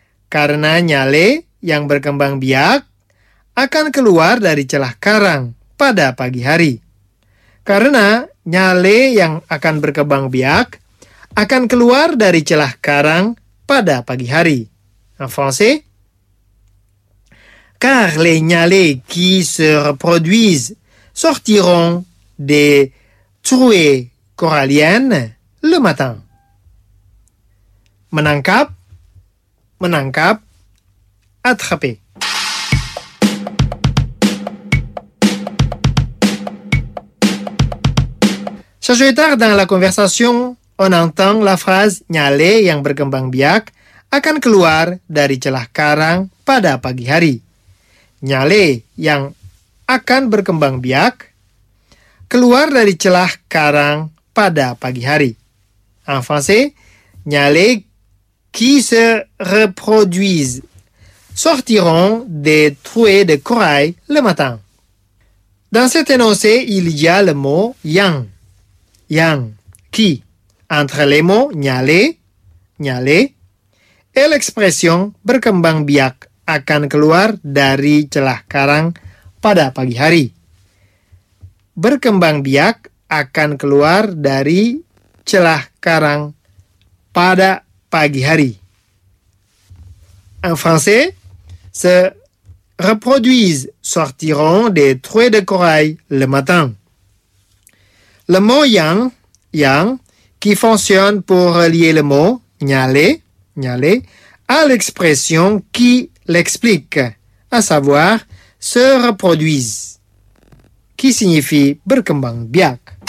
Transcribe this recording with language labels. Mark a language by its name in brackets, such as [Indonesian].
[Indonesian] Karena nyale yang berkembang biak akan keluar dari celah karang pada pagi hari. Karena nyale yang akan berkembang biak akan keluar dari celah karang pada pagi hari. [French] En français. Car les nyale qui se reproduisent sortiront des trouées coralliennes le matin. [Indonesian] Menangkap, menangkap, attraper. [French] Chers auditeurs, dans la conversation, on entend la phrase [Indonesian] nyale yang berkembang biak akan keluar dari celah karang pada pagi hari. Nyale yang akan berkembang biak keluar dari celah karang pada pagi hari. [French] En français, nyale qui se reproduisent sortiront des trouées de corail le matin. Dans cet énoncé, il y a le mot yang. Yang, qui. Entre les mots nyale, nyale, et l'expression [Indonesian] berkembang biak akan keluar dari celah karang pada pagi hari. Berkembang biak akan keluar dari celah karang pada pagi hari. [French] En français, se reproduisent sortiront des trouées de corail le matin. Le mot yang, yang, qui fonctionne pour relier le mot nyale, nyale, à l'expression qui l'explique, à savoir se reproduise, qui signifie [Indonesian] berkembang biak.